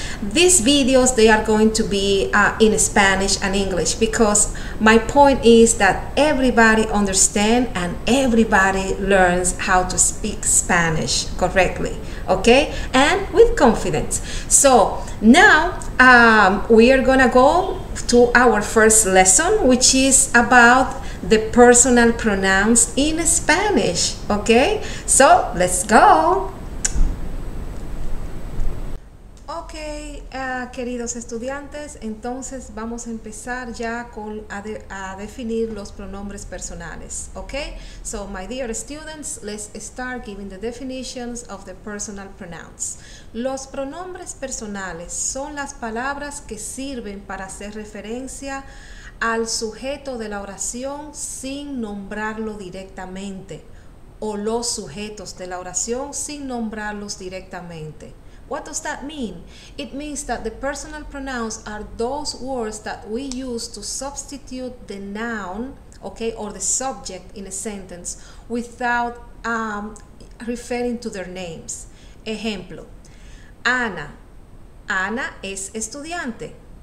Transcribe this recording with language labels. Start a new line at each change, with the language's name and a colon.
English: These videos, they are going to be in Spanish and English, because my point is that everybody understands and everybody learns how to speak Spanish correctly, okay, and with confidence. So now we are gonna go to our first lesson, which is about the personal pronouns in Spanish, okay? So let's go.
Spanish: Okay, queridos estudiantes, entonces vamos a empezar ya con a definir los pronombres personales, okay?
English: So my dear students, let's start giving the definitions of the personal pronouns.
Spanish: Los pronombres personales son las palabras que sirven para hacer referencia al sujeto de la oración sin nombrarlo directamente, o los sujetos de la oración sin nombrarlos directamente.
English: What does that mean? It means that the personal pronouns are those words that we use to substitute the noun, okay, or the subject in a sentence without referring to their names.
Spanish: Ejemplo, Ana. Ana es estudiante.